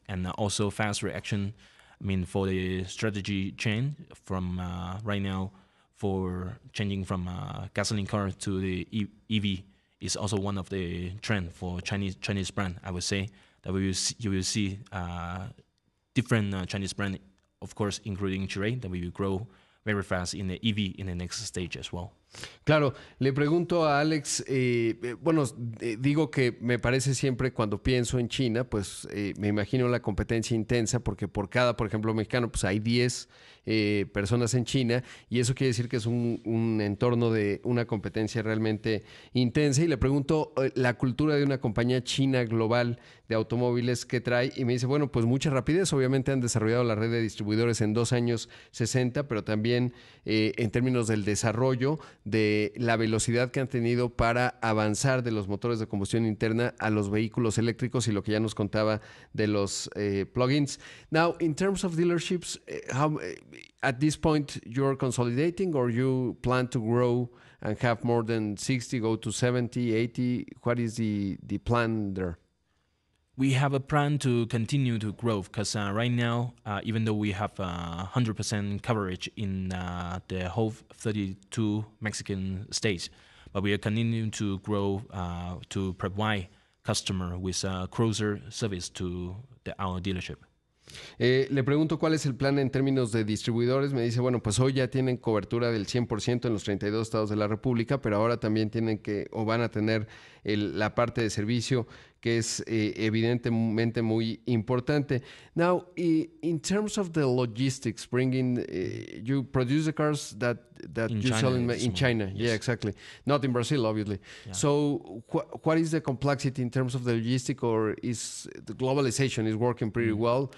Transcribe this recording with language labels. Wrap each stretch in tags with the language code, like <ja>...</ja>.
<en>And also fast reaction, I mean, for the strategy change from right now for changing from gasoline car to the EV is also one of the trend for Chinese brand. I would say that you will see different Chinese brand, of course, including Chirey, that we will grow very fast in the EV in the next stage as well.</en> <es>Claro, le pregunto a Alex, digo que me parece siempre cuando pienso en China, pues me imagino la competencia intensa porque por cada, por ejemplo, mexicano, pues hay 10 personas en China y eso quiere decir que es un entorno de una competencia realmente intensa. Y le pregunto la cultura de una compañía china global de automóviles que trae y me dice, bueno, pues mucha rapidez. Obviamente han desarrollado la red de distribuidores en 2 años 60, pero también en términos del desarrollo de la velocidad que han tenido para avanzar de los motores de combustión interna a los vehículos eléctricos y lo que ya nos contaba de los plugins.</es> <en>Now, in terms of dealerships, how, at this point, you're consolidating or you plan to grow and have more than 60, go to 70, 80? What is the plan there? We have a plan to continue to grow because right now, even though we have 100% coverage in the whole 32 Mexican states, but we are continuing to grow to provide customer with a closer service to our dealership.</en> <es>Le pregunto cuál es el plan en términos de distribuidores. Me dice, bueno, pues hoy ya tienen cobertura del 100% en los 32 estados de la República, pero ahora también tienen que o van a tener la parte de servicio que es evidentemente muy importante.</es> <en>Now, in terms of the logistics, bringing you produce the cars that in you China, sell in China. Yes. Yeah, exactly. Not in Brazil, obviously. Yeah. So what is the complexity in terms of the logistics, or is the globalization is working pretty well?</en>